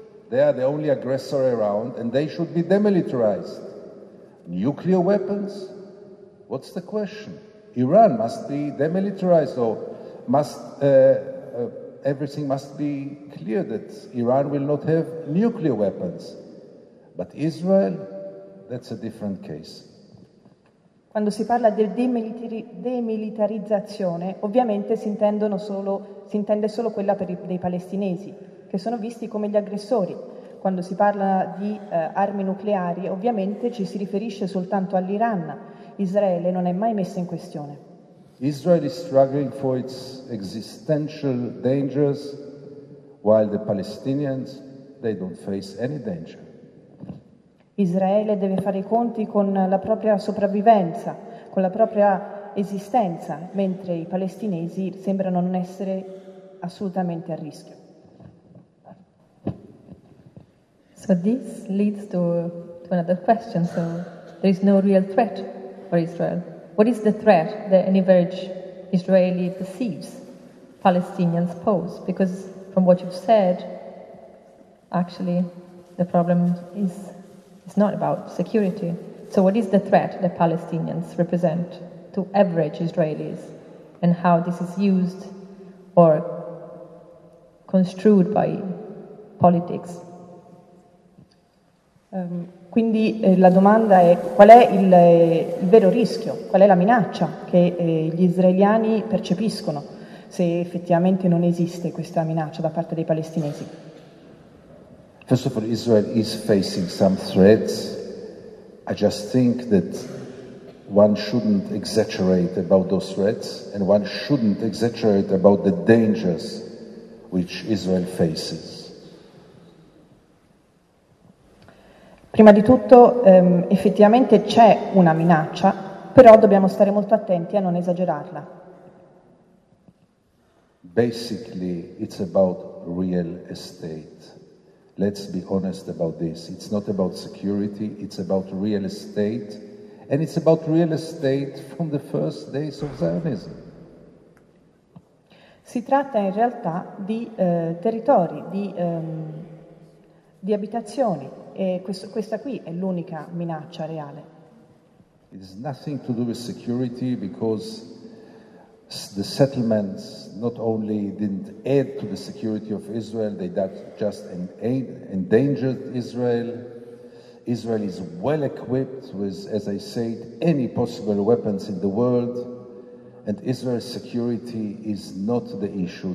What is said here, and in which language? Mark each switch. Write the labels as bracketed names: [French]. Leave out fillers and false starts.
[English] They are the only aggressor around, and they should be demilitarized. Nuclear weapons? What's the question? Iran must be demilitarized, or must everything must be clear that Iran will not have nuclear weapons. But Israel, that's a different case. [Italian] Quando si parla di demilitarizzazione, ovviamente si intende solo quella per dei palestinesi, che sono visti come gli aggressori. Quando si parla di armi nucleari, ovviamente ci si riferisce soltanto all'Iran. Israele non è mai messa in questione. [English] Israel is struggling for its existential dangers, while the Palestinians, they don't face any danger. [Italian] Israele deve fare i conti con la propria sopravvivenza, con la propria esistenza, mentre i palestinesi sembrano non essere assolutamente a rischio. [English] So this leads to another question. So there is no real threat for Israel. What is the threat that an average Israeli perceives Palestinians pose? Because from what you've said, actually the problem is it's not about security. So what is the threat that Palestinians represent to average Israelis, and how this is used or construed by politics? [Italian] Quindi la domanda è: qual è il vero rischio, qual è la minaccia che gli israeliani percepiscono, se effettivamente non esiste questa minaccia da parte dei palestinesi? [English] First of all, Israel is facing some threats. I just think that one shouldn't exaggerate about those threats, and one shouldn't exaggerate about the dangers which Israel faces. [Italian] Prima di tutto, effettivamente c'è una minaccia, però dobbiamo stare molto attenti a non esagerarla. [English] Basically, it's about real estate. Let's be honest about this. It's not about security, it's about real estate, and it's about real estate from the first days of Zionism. [Italian] Si tratta in realtà di territori, di abitazioni, e questa qui è l'unica minaccia reale. [English] It has nothing to do with security, because the settlements not only didn't add to the security of Israel, they just endangered Israel. Israel is well equipped with, as I said, any possible weapons in the world, and Israel's security is not the issue.